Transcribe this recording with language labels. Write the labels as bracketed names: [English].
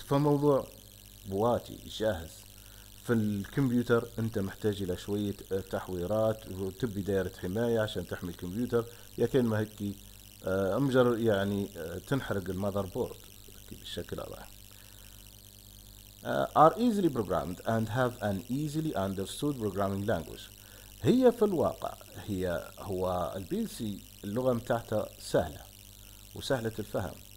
[Arabic] فموضوع بواتي جاهز. في الكمبيوتر انت محتاج الى شوية تحويرات، وتبي دائرة حماية عشان تحمي الكمبيوتر، يا كلمة هكي امجر يعني تنحرق المذر بورد بالشكل هذا. [English] Are easily programmed and have an easily understood programming language. [Arabic] هي في الواقع هو البي ال سي اللغة متاعتها سهلة وسهلة الفهم.